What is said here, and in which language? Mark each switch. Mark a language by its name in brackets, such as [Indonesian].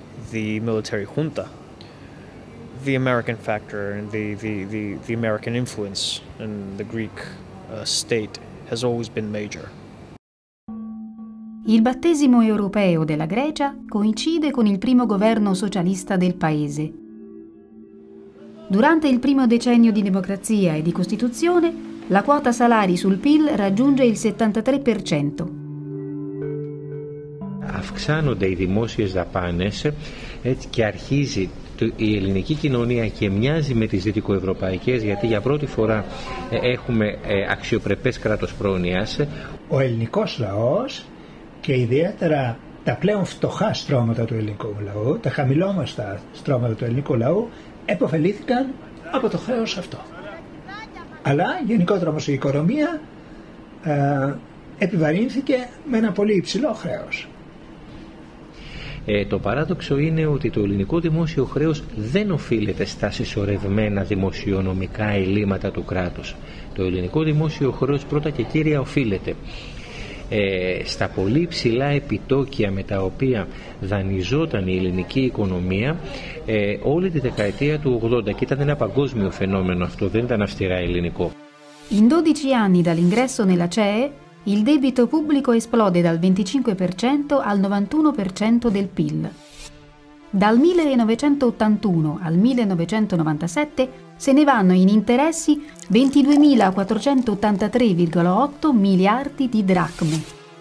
[English] the military junta, the American factor and the American influence in the Greek state has always been major. [Italian] Il battesimo europeo della Grecia coincide con il primo governo socialista del paese. Durante il primo decennio di democrazia e di costituzione, la quota salari sul PIL raggiunge il 73%. [Greek] Αυξάνονται οι δημόσιες δαπάνες, έτσι, και αρχίζει η ελληνική κοινωνία και μοιάζει με τις δυτικοευρωπαϊκές, γιατί για πρώτη φορά έχουμε αξιοπρεπές κράτος πρόνοιας. Ο ελληνικός λαός και ιδιαίτερα τα πλέον φτωχά στρώματα του ελληνικού λαού, τα χαμηλόμαστα στρώματα του ελληνικού λαού, επωφελήθηκαν από το χρέος αυτό. Αλλά γενικότερα όμως η οικονομία επιβαρύνθηκε με ένα πολύ υψηλό χρέος. Το παράδοξο είναι ότι το ελληνικό δημόσιο χρέος δεν οφείλεται στα συσσωρευμένα δημοσιονομικά ελλείμματα του κράτους. Το ελληνικό δημόσιο χρέος πρώτα και κύρια οφείλεται στα πολύ ψηλά επιτόκια με τα οποία δανειζόταν η ελληνική οικονομία όλη τη δεκαετία του 80, και ήταν ένα παγκόσμιο φαινόμενο αυτό, δεν ήταν αυστηρά ελληνικό. [Italian] In 12 anni dall'ingresso nella CEE, il debito pubblico esplode dal 25% al 91% del PIL. Dal 1981 al 1997 se ne vanno in interessi 22.483,8 miliardi di dracme.